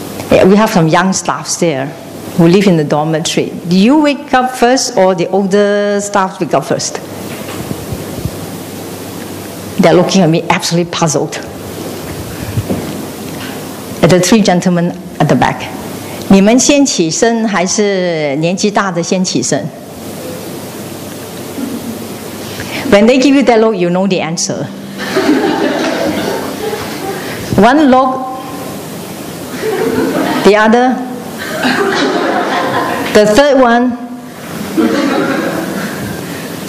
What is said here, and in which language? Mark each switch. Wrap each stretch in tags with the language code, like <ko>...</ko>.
<en>Yeah, we have some young staffs there. Who live in the dormitory. Do you wake up first or the older staff wake up first? They're looking at me absolutely puzzled. At the three gentlemen at the back.</en> <zh>你们先起身还是年纪大的先起身?</zh> <en>When they give you that look, you know the answer. One look, the other. The third one.</en>